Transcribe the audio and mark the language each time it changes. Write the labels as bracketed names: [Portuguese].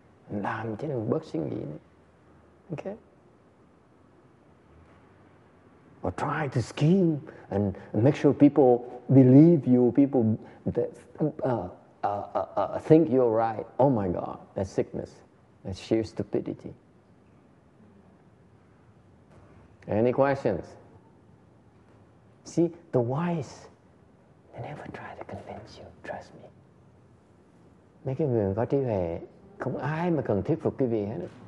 [Vietnamese] Làm chứ đừng bớt suy nghĩ nữa. [English] Okay. Or try to scheme and make sure people believe you. People that think you're right. Oh my God, that's sickness. That's sheer stupidity. Any questions? See, the wise, they never try to convince you, trust me. [Vietnamese] Mấy cái người có trí huệ, không ai mà cần thuyết phục quý vị hết.